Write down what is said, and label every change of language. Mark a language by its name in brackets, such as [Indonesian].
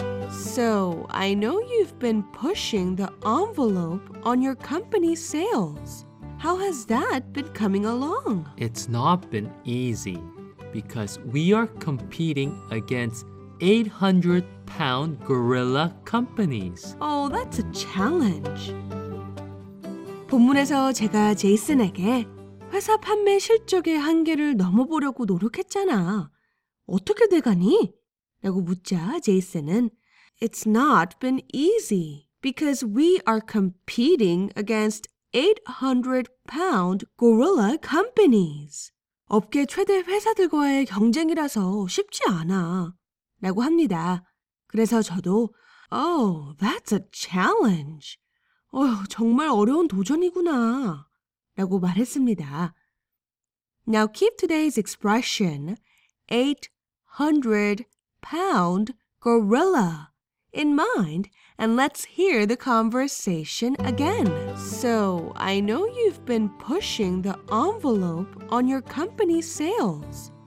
[English] So, I know you've been pushing the envelope on your company sales. How has that been coming along? It's not been easy because we are competing against 800-pound gorilla companies. Oh, that's a challenge. [Korean] 본문에서 제가 제이슨에게 회사 판매 실적의 한계를 넘어보려고 노력했잖아. 어떻게 돼가니? 라고 묻자 제이슨은 [English] It's not been easy because we are competing against 800-pound gorilla companies. [Korean] 업계 최대 회사들과의 경쟁이라서 쉽지 않아 라고 합니다. 그래서 저도 [English] Oh, that's a challenge. [Korean] 정말 어려운 도전이구나 라고 말했습니다. [English] Now keep today's expression 800 pound gorilla in mind and let's hear the conversation again. So, I know you've been pushing the envelope on your company sales.